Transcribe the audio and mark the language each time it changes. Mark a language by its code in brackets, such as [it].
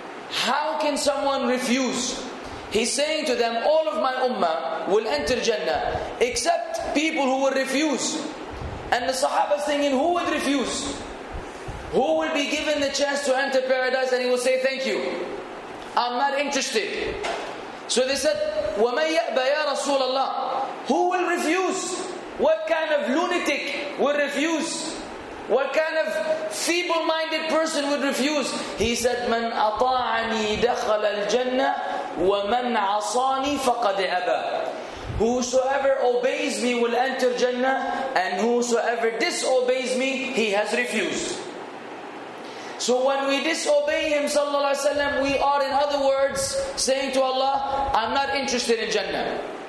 [en] How can someone refuse? He's saying to them, all of my ummah will enter Jannah except people who will refuse. And the Sahaba is thinking, who would refuse? Who will be given the chance to enter paradise and he will say, thank you, I'm not interested. So they said, [ar] وَمَنْ يَأْبَى يَا رَسُولَ اللَّهِ. [en] Who will refuse? What kind of lunatic will refuse? What kind of feeble-minded person would refuse? He said, [ar] مَنْ أَطَاعَنِي دَخَلَ الْجَنَّةِ وَمَنْ عَصَانِي فَقَدْ أَبَى. [en] Whosoever obeys me will enter Jannah, and whosoever disobeys me, he has refused. So when we disobey him sallallahu alaihi wasallam, we are in other words saying to Allah, I'm not interested in Jannah.